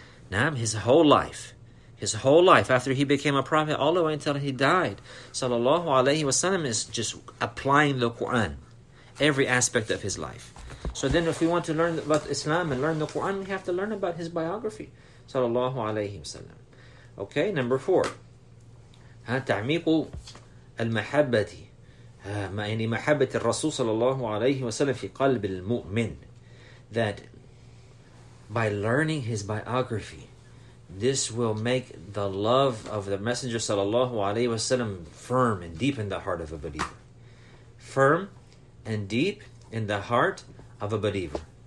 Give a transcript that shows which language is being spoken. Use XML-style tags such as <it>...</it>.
<en>Naam, his whole life, after he became a prophet, all the way until he died, sallallahu alayhi wa sallam, is just applying the Qur'an, every aspect of his life. So then if we want to learn about Islam and learn the Qur'an, we have to learn about his biography, sallallahu alayhi wa sallam. Okay, number four.</en> <ar>Ha, ta'miqu المحبه ما يعني محبه الرسول صلى الله عليه وسلم في قلب المؤمن.</ar> <en>That by learning his biography, this will make the love of the messenger صلى الله عليه وسلم firm and deep in the heart of a believer. Firm and deep in the heart of a believer.</en>